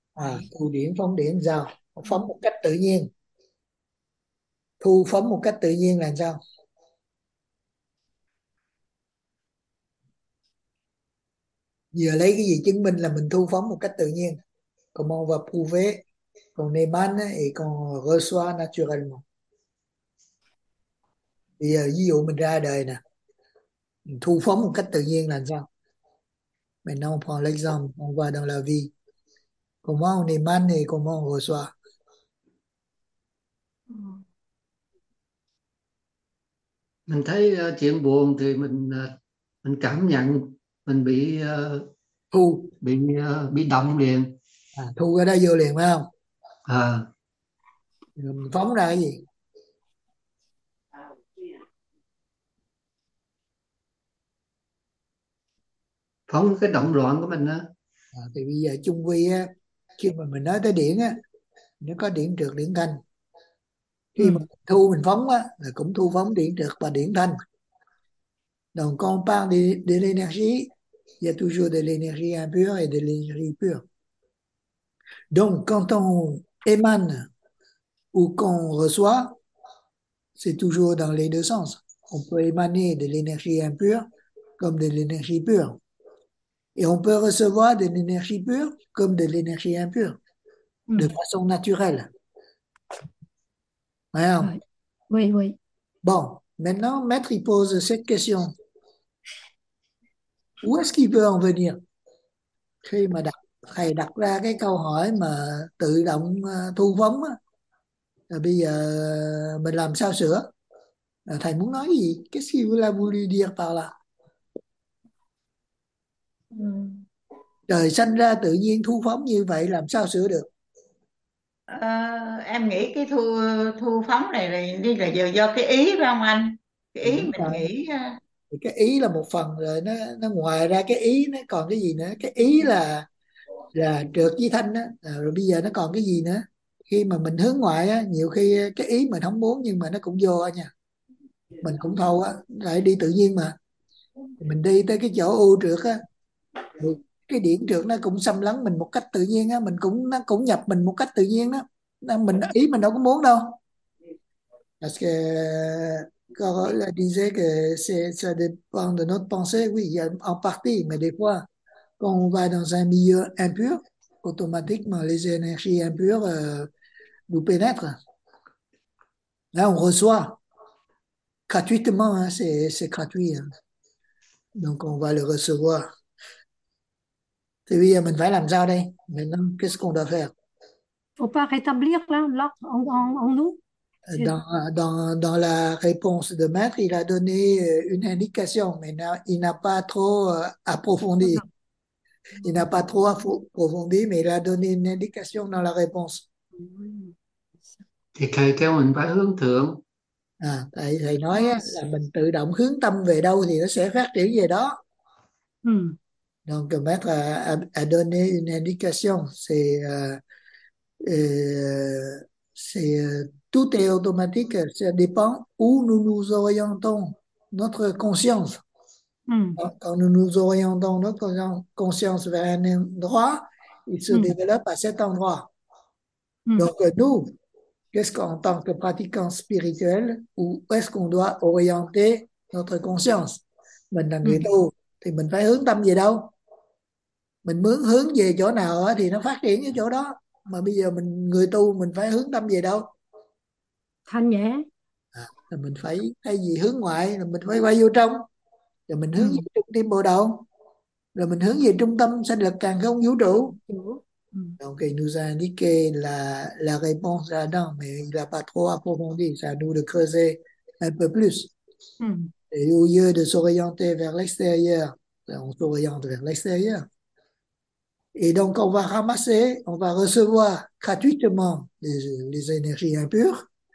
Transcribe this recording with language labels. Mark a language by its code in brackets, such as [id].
[vi] à thu điểm phóng điểm, giao phóng một cách tự nhiên. thu phóng một cách tự nhiên là sao? Giờ lấy cái gì chứng minh là mình thu phóng một cách tự nhiên? [fr] Comment va prouver qu'on émane et qu'on reçoit naturellement. [vi] Bây giờ ví dụ mình ra đời nè, mình thu phóng một cách tự nhiên là sao? [fr] Maintenant, on prend l'exemple, on va dans la vie. Comment on émane et comment on reçoit? [vi] Mình thấy chuyện buồn thì mình cảm nhận mình Thu. bị động liền À, thu ở đây vô liền phải không? à. Mình phóng ra cái gì? Phóng cái động loạn của mình á. À, thì bây giờ chung quy á, khi mà mình nói tới điển á, nó có điển trượt điển thanh, khi mà thu mình phóng á là cũng thu phóng điển trượt và điển thanh. [fr] Donc quand on parle de l'énergie, il y a toujours de l'énergie impure et de l'énergie pure. Donc quand on émane ou qu'on reçoit, c'est toujours dans les deux sens. On peut émaner de l'énergie impure comme de l'énergie pure. Et on peut recevoir de l'énergie pure comme de l'énergie impure, de façon naturelle. Voyons. Oui. Bon, maintenant, Maître, il pose cette question. Où est-ce qu'il veut en venir? [vi] Khi mà thầy đặt ra cái câu hỏi mà tự động thu vấn, bây giờ mình làm sao sửa? Thầy muốn nói gì? [fr] Qu'est-ce qu'il a voulu dire par là? [vi] Trời sanh ra tự nhiên thu phóng như vậy làm sao sửa được? Em nghĩ cái thu phóng này là đi là giờ do cái ý phải không anh? Cái Đúng ý mình rồi. nghĩ Thì cái ý là một phần rồi, nó ngoài ra cái ý nó còn cái gì nữa? Cái ý là trượt với thanh á, rồi bây giờ nó còn cái gì nữa? Khi mà mình hướng ngoại á, nhiều khi cái ý mình không muốn nhưng mà nó cũng vô á nha. Mình cũng thâu á, lại đi tự nhiên mà. Mình đi tới cái chỗ ưu trượt á, cái điển trượt nó cũng xâm lấn mình một cách tự nhiên á, mình cũng nó cũng nhập mình một cách tự nhiên đó. Nên mình ý mình đâu có muốn đâu. [fr] Parce que Carole là disait que c'est ça dépend de notre pensée, oui, en partie, mais des fois, quand on va dans un milieu impur, automatiquement les énergies impures nous pénètrent. Là, on reçoit gratuitement, hein, c'est gratuit. Hein. Donc, on va le recevoir. [vi] Thì bây giờ mình phải làm sao đây? [fr] Maintenant, qu'est-ce qu'on doit faire? faut pas rétablir là en nous. C'est Dans la réponse de Maître, il a donné une indication, mais il n'a pas trop approfondi. Il n'a pas trop approfondi, mais il a donné une indication dans la réponse. [vi] mình Thì thầy kêu mình phải hướng thượng. À, thầy nói là mình tự động hướng tâm về đâu thì nó sẽ phát triển về đó. [fr] Donc, Maître a donné une indication, c'est tout est automatique, ça dépend où nous nous orientons, notre conscience. Quand nous nous orientons notre conscience vers un endroit, il se développe à cet endroit. Donc nous, qu'est-ce qu'en tant que pratiquant spirituel, où est-ce qu'on doit orienter notre conscience? [vi] Mình là người tu, thì mình phải hướng tâm về đâu? Mình muốn hướng về chỗ nào thì nó phát triển ở chỗ đó. Mà bây giờ mình người tu mình phải hướng tâm về đâu? Thanh nhé. Là mình phải thay vì hướng ngoại là mình phải quay vô trong, rồi mình hướng về trung tâm bồ đầu, rồi mình hướng về trung tâm sanh lực càn khôn vũ trụ. [fr] Donc il nous a indiqué la réponse là-dedans, mais il n'a pas trop approfondi. C'est à nous de creuser un peu plus. Et au lieu de s'orienter vers l'extérieur, on s'oriente vers l'extérieur. Et donc on va ramasser, on va recevoir gratuitement les énergies impures.